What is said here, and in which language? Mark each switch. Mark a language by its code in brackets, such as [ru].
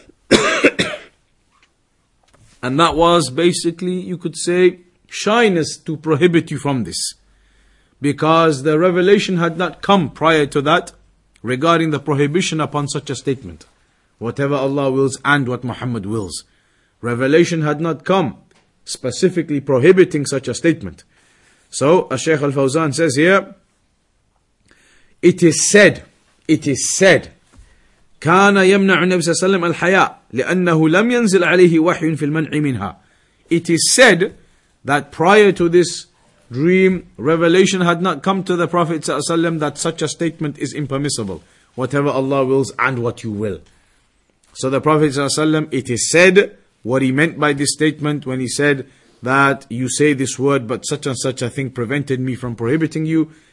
[en] And that was basically, you could say, shyness to prohibit you from this. Because the revelation had not come prior to that regarding the prohibition upon such a statement. Whatever Allah wills and what Muhammad wills. Revelation had not come specifically prohibiting such a statement. So, as Shaykh Al Fawzaan says here, it is said, [ar] كان يمنع النبي صلى الله عليه وسلم الحياء لأنه لم ينزل عليه وحي في المنع منها. [en] It is said that prior to this dream, revelation had not come to the Prophet [ar] صلى الله عليه وسلم [en] that such a statement is impermissible. Whatever Allah wills and what you will. So the Prophet [ar] صلى الله عليه وسلم, [en] it is said what he meant by this statement when he said that you say this word but such and such a thing prevented me from prohibiting you.